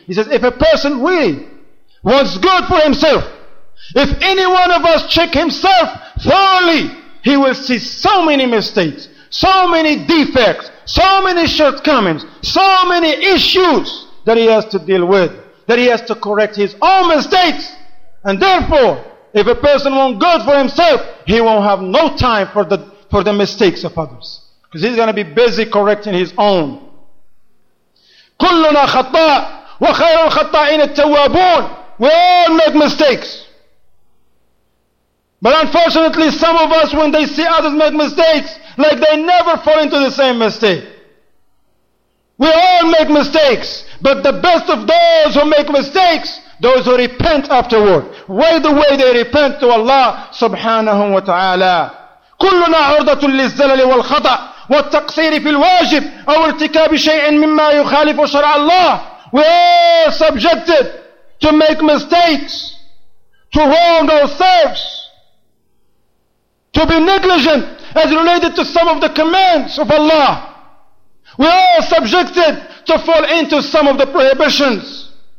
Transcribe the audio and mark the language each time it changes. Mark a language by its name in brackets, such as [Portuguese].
[English] He says, if a person really wants good for himself, if any one of us check himself thoroughly, he will see so many mistakes, so many defects, so many shortcomings, so many issues that he has to deal with, that he has to correct his own mistakes. And therefore, if a person wants good for himself, he won't have no time for the mistakes of others, because he's going to be busy correcting his own. [Arabic] كلنا خطاء وخير الخطائين التوابون. [English] We all make mistakes. But unfortunately, some of us, when they see others make mistakes, like they never fall into the same mistake. We all make mistakes. But the best of those who make mistakes, those who repent afterward, way the way they repent to Allah subhanahu wa ta'ala. [Arabic] كلنا عرضة للزلل والخطأ والتقصير في الواجب أو ارتكاب شيء مما يخالف شرع الله [English] We're subjected to make mistakes, to wrong ourselves, to be negligent as related to some of the commands of Allah. We are subjected to fall into some of the prohibitions.